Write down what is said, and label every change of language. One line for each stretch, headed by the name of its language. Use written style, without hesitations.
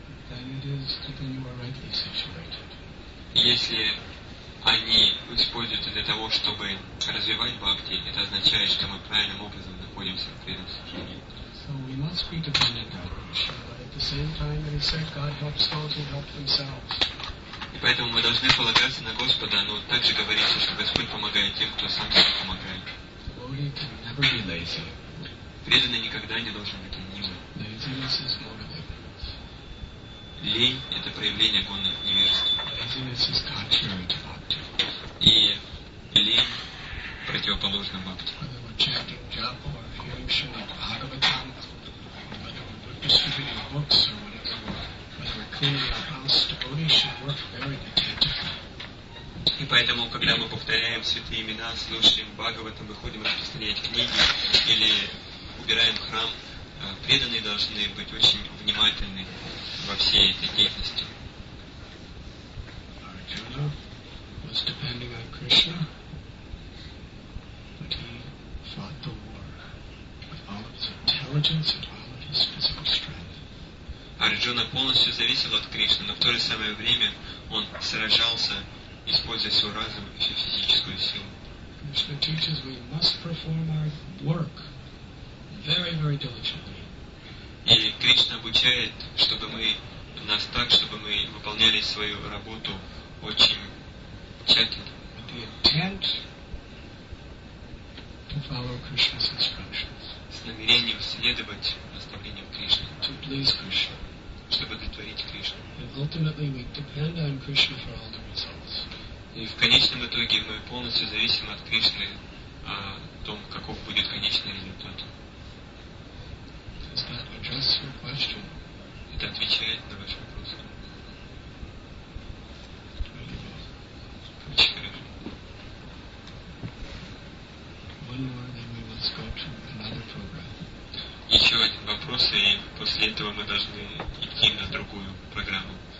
English: Then it is that you are rightly situated.
Russian: Если они используются для того, чтобы развивать бхакти, это означает, что мы правильным образом находимся в преданном служении.
English: So we must be dependent on Krishna, but at the same time, he said, God helps those who help themselves.
Russian: И поэтому мы должны полагаться на Господа, но также говорится, что Господь помогает тем, кто сам себе помогает.
English: Devotee can never be lazy.
Russian: Преданный никогда не должен быть ленивым.
English: Laziness is malevolence.
Russian: Лень — это проявление гонных невежеств.
English: Laziness is contrary to bhakti.
Russian: И лень противоположна бхакти.
English: Whether we're chanting japa or hearing Srimad Bhagavatam, whether we're distributing books or whether we're cleaning our house, devotee should work very attentively.
Russian: И поэтому, когда мы повторяем святые имена, слушаем Бхагаватам, выходим распространять книги или убираем храм, преданные должны быть очень внимательны во всей этой деятельности.
English: Arjuna was depending on Krishna, but he fought the war with all of his intelligence and all of his physical strength.
Russian: Арджуна полностью зависел от Кришны, но в то же самое время он сражался, используя свой разум и всю физическую силу.
English: Krishna teaches we must perform our work very, very diligently.
Russian: И Кришна обучает, чтобы мы нас так, чтобы мы выполняли свою работу очень тщательно.
English: The intent to follow Krishna's instructions.
Russian: С намерением следовать наставлениям Кришны.
English: To please Krishna.
Russian: Чтобы удовлетворить Кришну.
English: And ultimately we depend on Krishna for all the results.
Russian: И в конечном итоге мы полностью зависим от Кришны о том, каков будет конечный результат.
English: Does that address your question?
Russian: Это отвечает на ваш вопрос.
English: Very good. One more, then we must go to another program.
Russian: Еще один вопрос, и после этого мы должны идти на другую программу.